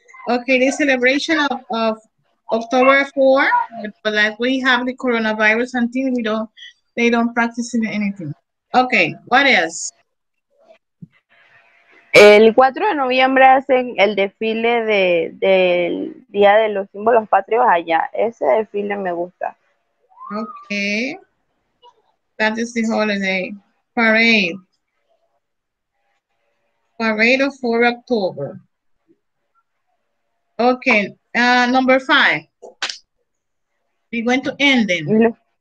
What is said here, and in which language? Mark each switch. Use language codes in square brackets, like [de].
[en] Okay, the celebration of October 4, but like we have the coronavirus and things, they don't practice anything. Okay, what is? [es] El 4 de noviembre hacen el desfile del Día de los Símbolos Patrios allá. Ese desfile me gusta. [en] Okay, that is the holiday parade of 4 October. Okay, number 5. We're going to end them.